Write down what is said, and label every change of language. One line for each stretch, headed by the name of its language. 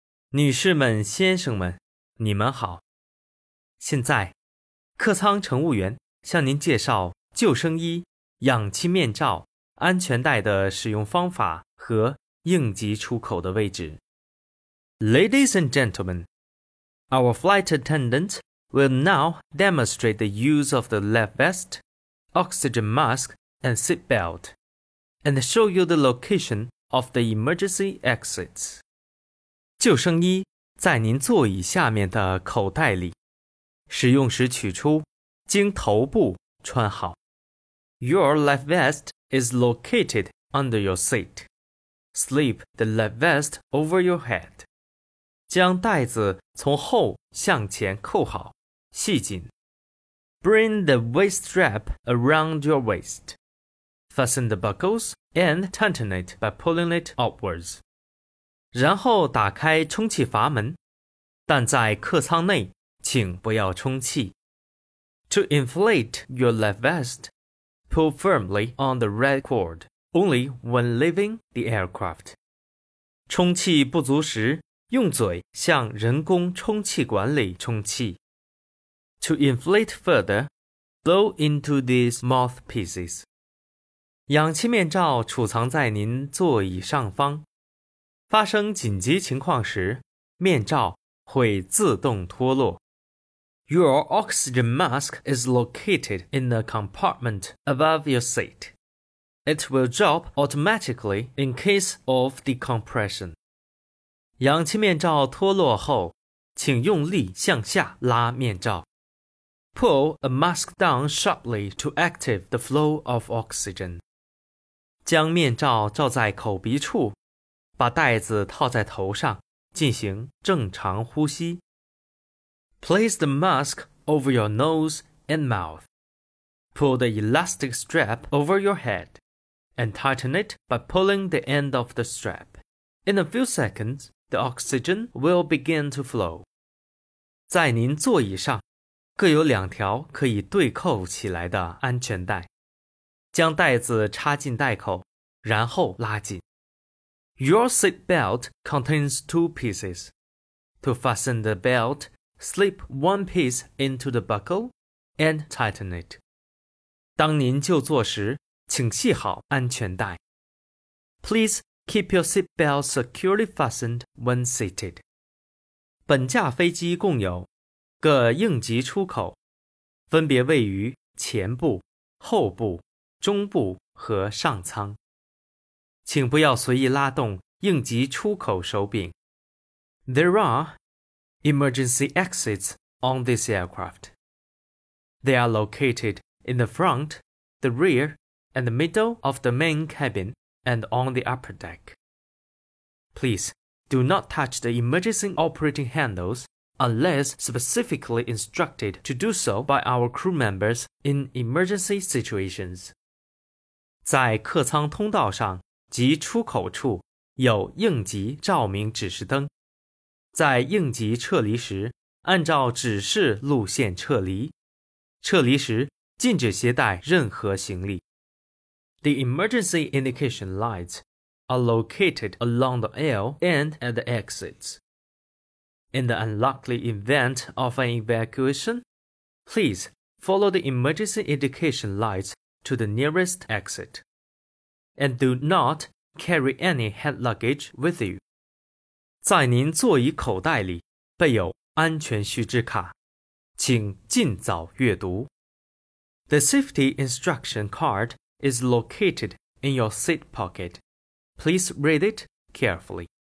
Chinese: 女士们先生们，你们好，现在客舱乘务员向您介绍救生衣、氧气面罩、安全带的使用方法和应急出口的位置。
English: Ladies and gentlemen, our flight attendant will now demonstrate the use of the life vest, oxygen mask and seat belt, and show you the location of the emergency exits.
Chinese: 救生衣在您座椅下面的口袋里，使用时取出，经头部穿好。
English: Your life vest is located under your seat. Slip the life vest over your head.
Chinese: 将带子从后向前扣好，系紧。
English: Bring the waist strap around your waist. Fasten the buckles and tighten it by pulling it upwards.
Chinese: 然后打开充气阀门，但在客舱内请不要充气。
English: To inflate your life vest,Pull firmly on the red cord, only when leaving the aircraft.
Chinese: 充气不足时，用嘴向人工充气管里充气。
English: To inflate further, blow into these mouthpieces.
Chinese: 氧气面罩储藏在您座椅上方。发生紧急情况时，面罩会自动脱落。
English: Your oxygen mask is located in the compartment above your seat. It will drop automatically in case of decompression.
Chinese: 氧气面罩脱落后，请用力向下拉面罩。
English: Pull a mask down sharply to activate the flow of oxygen.
Chinese: 将面罩罩在口鼻处，把带子套在头上，进行正常呼吸。
English: Place the mask over your nose and mouth. Pull the elastic strap over your head and tighten it by pulling the end of the strap. In a few seconds, the oxygen will begin to flow.
Chinese: 在您座椅上各有两条可以对扣起来的安全带。将带子插进带口，然后拉紧。
English: Your seat belt contains two pieces. To fasten the belt,Slip one piece into the buckle and tighten it.
Chinese: 当您就坐时，请系好安全带。
English: Please keep your seat belt securely fastened when seated.
Chinese: 本架飞机共有各应急出口，分别位于前部、后部、中部和上舱。请不要随意拉动应急出口手柄。
English: There are... Emergency exits on this aircraft. They are located in the front, the rear, and the middle of the main cabin and on the upper deck. Please do not touch the emergency operating handles unless specifically instructed to do so by our crew members in emergency situations.
Chinese: 在客舱通道上及出口处有应急照明指示灯。在应急撤离时，按照指示路线撤离。撤离时，禁止携带任何行李。
English: The emergency indication lights are located along the aisle and at the exits. In the unlikely event of an evacuation, please follow the emergency indication lights to the nearest exit. And do not carry any hand luggage with you.
Chinese: 在您座椅口袋里备有安全须知卡，请尽早阅读。
English: The safety instruction card is located in your seat pocket. Please read it carefully.